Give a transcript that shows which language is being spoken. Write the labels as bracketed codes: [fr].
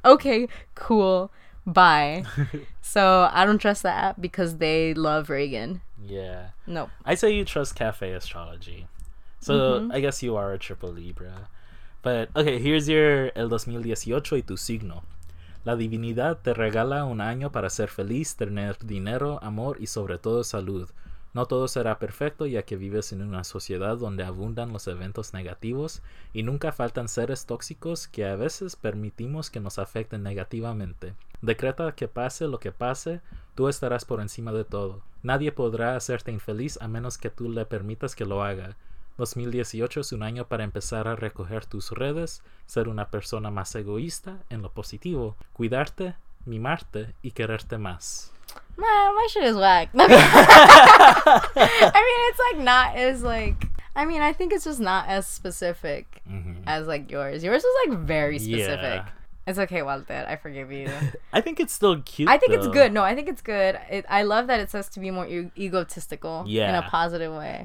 [en] Okay, cool, bye. So I don't trust that app because they love Reagan. Yeah, no, I say you trust Cafe Astrology. So I guess you are a triple Libra, but okay, here's your [es] el 2018 y tu signo. La divinidad te regala un año para ser feliz, tener dinero, amor y sobre todo salud. No todo será perfecto ya que vives en una sociedad donde abundan los eventos negativos y nunca faltan seres tóxicos que a veces permitimos que nos afecten negativamente. Decreta que pase lo que pase, tú estarás por encima de todo. Nadie podrá hacerte infeliz a menos que tú le permitas que lo haga. 2018 es un año para empezar a recoger tus redes, ser una persona más egoísta en lo positivo, cuidarte, mimarte y quererte más. [en] My shit is whack. I mean, it's like not as like, I mean, I think it's just not as specific as like yours. Yours is like very specific. Yeah. It's okay, Walter. I forgive you. I think it's still cute, I think though. It's good. No, I think it's good. I love that it says to be more egotistical in a positive way.